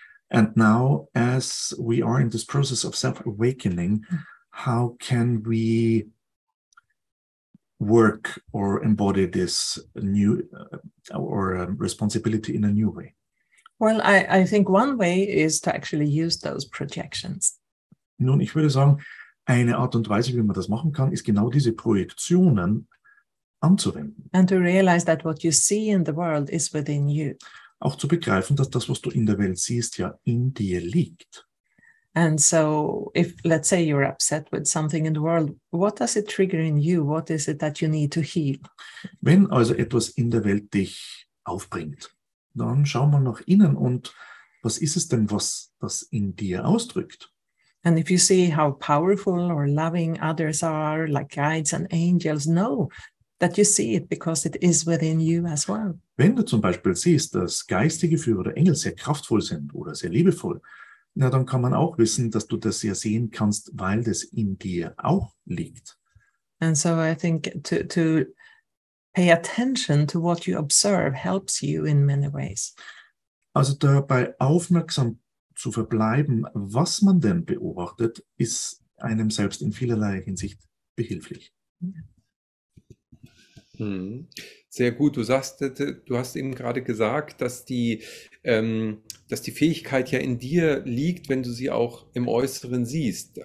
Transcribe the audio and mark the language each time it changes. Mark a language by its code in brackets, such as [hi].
[en] And now, as we are in this process of self-awakening, how can we work or embody this new responsibility in a new way? Well, I think one way is to actually use those projections. [de] Nun, ich würde sagen, eine Art und Weise, wie man das machen kann, ist genau diese Projektionen anzuwenden. [en] And to realize that what you see in the world is within you. [de] Auch zu begreifen, dass das, was du in der Welt siehst, ja in dir liegt. [en] And so, if let's say you're upset with something in the world, what does it trigger in you? What is it that you need to heal? [de] Wenn also etwas in der Welt dich aufbringt, dann schau mal nach innen und was ist es denn, was das in dir ausdrückt? [en] And if you see how powerful or loving others are, like guides and angels, know that you see it because it is within you as well. [de] Wenn du zum Beispiel siehst, dass geistige Führer oder Engel sehr kraftvoll sind oder sehr liebevoll, na, dann kann man auch wissen, dass du das ja sehen kannst, weil das in dir auch liegt. [en] And so I think to pay attention to what you observe helps you in many ways. [de] Also dabei aufmerksam zu verbleiben, was man denn beobachtet, ist einem selbst in vielerlei Hinsicht behilflich. Sehr gut. Du hast eben gerade gesagt, dass die Fähigkeit ja in dir liegt, wenn du sie auch im Äußeren siehst.